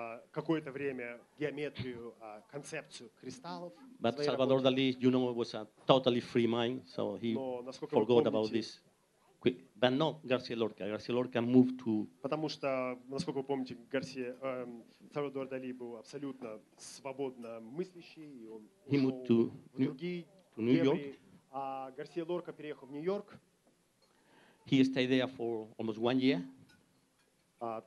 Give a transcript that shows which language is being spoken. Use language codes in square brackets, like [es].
[ru] Какое-то время геометрию, концепцию кристаллов. [en] But Salvador Dali, you know, was a totally free mind, so he forgot about this. But not Garcia Lorca. Garcia Lorca moved to. [ru] Потому что, насколько вы помните, Сальвадор Дали был абсолютно свободно мыслящий, и он [en] moved to New York. [ru] А Гарсия Лорка переехал в Нью-Йорк. [en] He stayed there for almost 1 year.